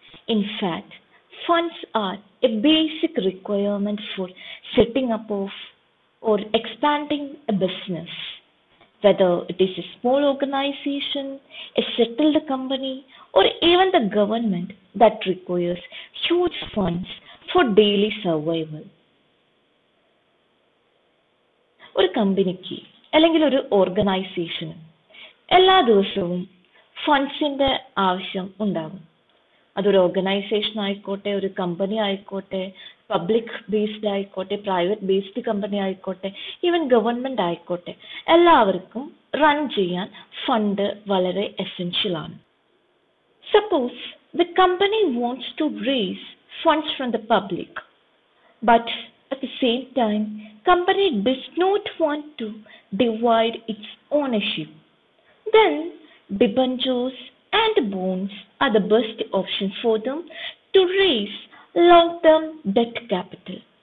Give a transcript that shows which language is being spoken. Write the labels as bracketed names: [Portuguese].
[English] In fact, funds are a basic requirement for setting up of or expanding a business. Whether it is a small organization, a settled company, or even the government that requires huge funds for daily survival. Or a company key. [Malayalam] അല്ലെങ്കിൽ ഒരു ഓർഗനൈസേഷനും എല്ലാ ദിവസവും ഫണ്ട്സിൻ്റെ ആവശ്യം ഉണ്ടാകും. അതൊരു organisation ആയിക്കോട്ടെ, ഒരു കമ്പനി ആയിക്കോട്ടെ, പബ്ലിക് ബേസ്ഡ് ആയിക്കോട്ടെ, പ്രൈവറ്റ് ബേസ്ഡ് കമ്പനി ആയിക്കോട്ടെ, ഈവൻ ഗവൺമെൻറ് ആയിക്കോട്ടെ, എല്ലാവർക്കും റൺ ചെയ്യാൻ ഫണ്ട് വളരെ എസൻഷ്യലാണ്. [English] Suppose the company wants to raise funds from the public, but at the same time company does not want to divide its ownership, then debentures and bonds are the best option for them to raise long-term debt capital.